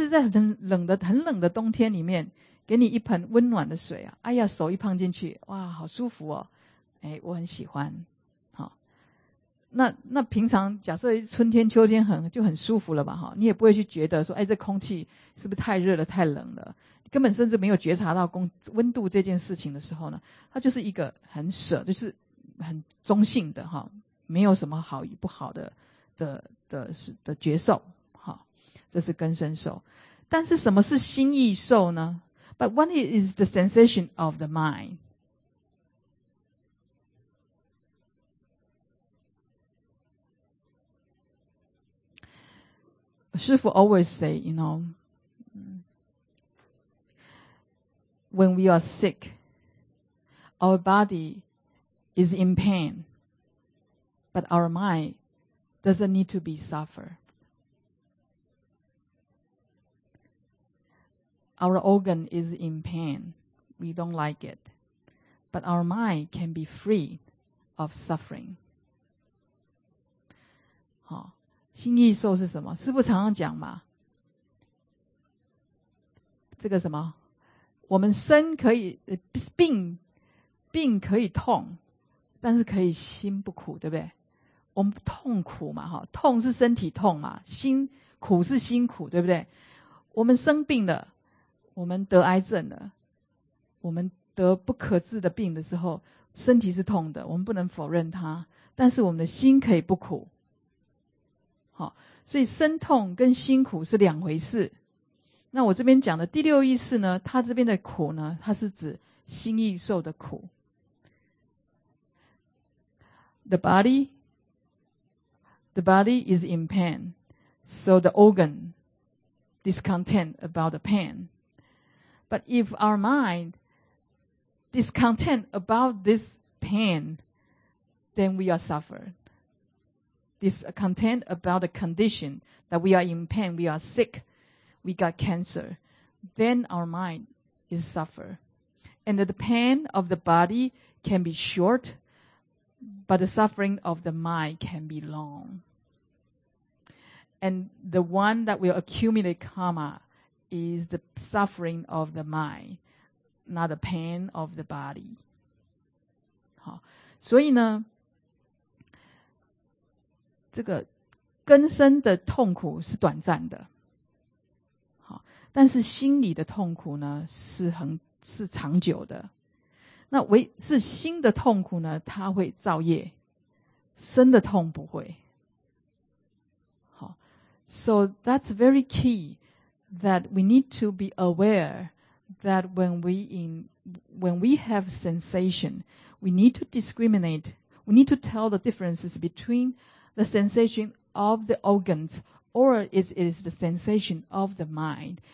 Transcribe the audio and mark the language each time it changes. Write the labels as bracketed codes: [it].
[zh] 那根生受是什么意思？比如说我的手啊，去摸那个火，对不对？哎呀，很烧了，很痛嘛，赶快抽回来，因为那个痛就是苦，我不喜欢。但是在很冷的冬天里面。给你一盆温暖的水啊！哎呀，手一碰进去，哇，好舒服哦！哎，我很喜欢。好，那平常假设春天、秋天很就很舒服了吧？哈，你也不会去觉得说，哎，这空气是不是太热了、太冷了？根本甚至没有觉察到温度这件事情的时候呢，它就是一个很舍，就是很中性的哈，没有什么好与不好的觉受。好，这是根生受。但是什么是心意受呢？ [en] But one is the sensation of the mind. Shifu always say, you know, when we are sick, our body is in pain, but our mind doesn't need to be suffer. Our organ is in pain. We don't like it. But our mind can be free of suffering. [zh] 好，心意受是什么？师父常常讲嘛，这个什么？我们身可以病可以痛，但是可以心不苦，对不对？我们痛苦嘛，哈，痛是身体痛嘛，心苦是辛苦，对不对？我们生病了，我们得癌症了，我们得不可治的病的时候，身体是痛的，我们不能否认它，但是我们的心可以不苦。好，所以身痛跟辛苦是两回事。那我这边讲的第六意识呢，它这边的苦呢，它是指心意受的苦。 [en] The body is in pain, so the organ discontent about the pain. But if our mind discontent about this pain, then we are suffering. Discontent about the condition that we are in pain, we are sick, we got cancer, then our mind is suffer. And the pain of the body can be short, but the suffering of the mind can be long. And the one that will accumulate karma is the suffering of the mind, not the pain of the body. [zh] 好，所以呢，这个根身的痛苦是短暂的。好，但是心理的痛苦呢，是长久的。那唯是心的痛苦呢，它会造业，身的痛不会。 [en] So that's very key that we need to be aware that when we have sensation, we need to discriminate, we need to tell the differences between the sensation of the organs or it is the sensation of the mind.